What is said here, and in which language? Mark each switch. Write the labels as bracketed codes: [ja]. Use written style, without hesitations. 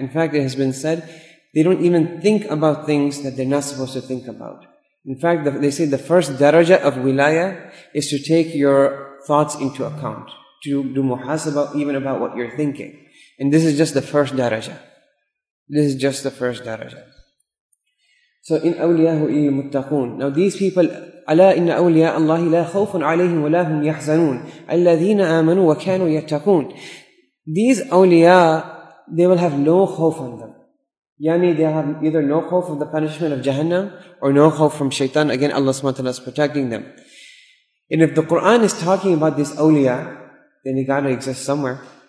[en] In fact, it has been said, they don't even think about things that they're not supposed to think about. In fact, they say the first daraja of wilaya is to take your thoughts into account, to do muhasaba even about what you're thinking. And this is just the first daraja. This is just the first daraja. [ar] So, in awliyahu il muttaqoon. [en] Now, these people, [ar] أَلَا إِنَّ أَوْلِيَاءَ اللَّهِ لَا خَوْفٌ عَلَيْهِمْ وَلَا هُمْ يَحْزَنُونَ الَّذِينَ آمَنُوا وَكَانُوا يَتَّقُونَ. [en] These awliya, they will have no khawf on them. Yani they have either no khawf of the punishment of Jahannam or no khawf from shaitan. Again, Allah subhanahu wa ta'ala is protecting them. And if the Qur'an is talking about this awliya, then they gotta exist somewhere.